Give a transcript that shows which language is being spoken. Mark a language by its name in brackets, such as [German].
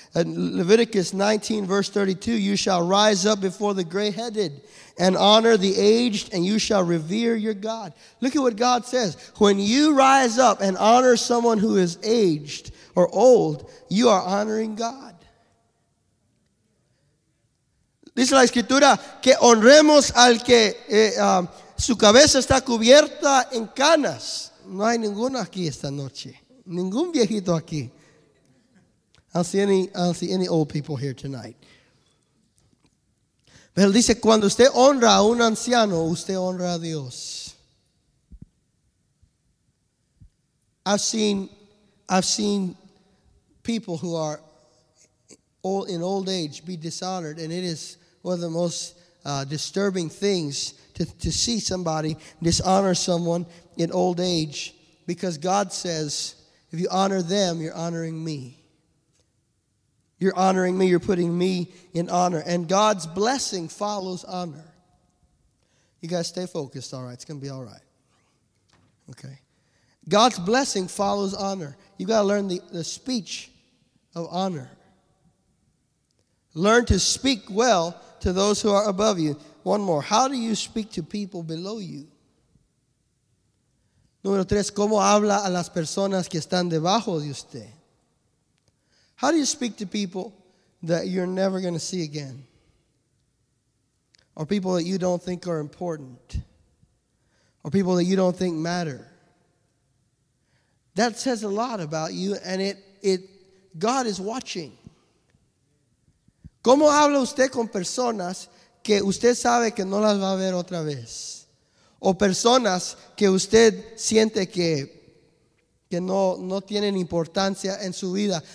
[English] In Leviticus 19, verse 32, you shall rise up before the gray-headed and honor the aged, and you shall revere your God. Look at what God says. When you rise up and honor someone who is aged or old, you are honoring God. [Spanish] Dice la Escritura, que honremos al que su cabeza está cubierta en canas. No hay ninguno aquí esta noche. Ningún viejito aquí. [English] I don't see any old people here tonight. [Spanish] Pero dice, cuando usted honra a un anciano, usted honra a Dios. [English] I've seen people who are old, in old age be dishonored, and it is one of the most disturbing things to see somebody dishonor someone in old age, because God says, if you honor them, you're honoring me. You're honoring me. You're putting me in honor. And God's blessing follows honor. You guys stay focused, all right? It's going to be all right. Okay. God's blessing follows honor. You've got to learn the speech of honor. Learn to speak well to those who are above you. One more. How do you speak to people below you? [Spanish] Número tres, ¿cómo habla a las personas que están debajo de usted? [English] How do you speak to people that you're never going to see again? Or people that you don't think are important? Or people that you don't think matter? That says a lot about you, and it God is watching. [Spanish] ¿Cómo habla usted con personas que usted sabe que no las va a ver otra vez? O personas que usted siente que no tienen importancia en su vida.